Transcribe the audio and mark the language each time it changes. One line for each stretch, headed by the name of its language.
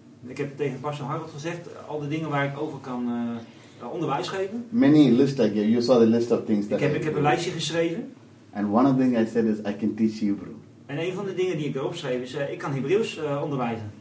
Dutch: Ik heb tegen Pastor Harold gezegd, al de dingen waar ik over kan onderwijs geven.
English: Many lists I gave. You saw the list of things that
Dutch: Ik heb een lijstje geschreven.
English: And one of the things I said is, I can teach Hebrew.
Dutch: En een van de dingen die ik erop schreef is, ik kan Hebreeuws onderwijzen.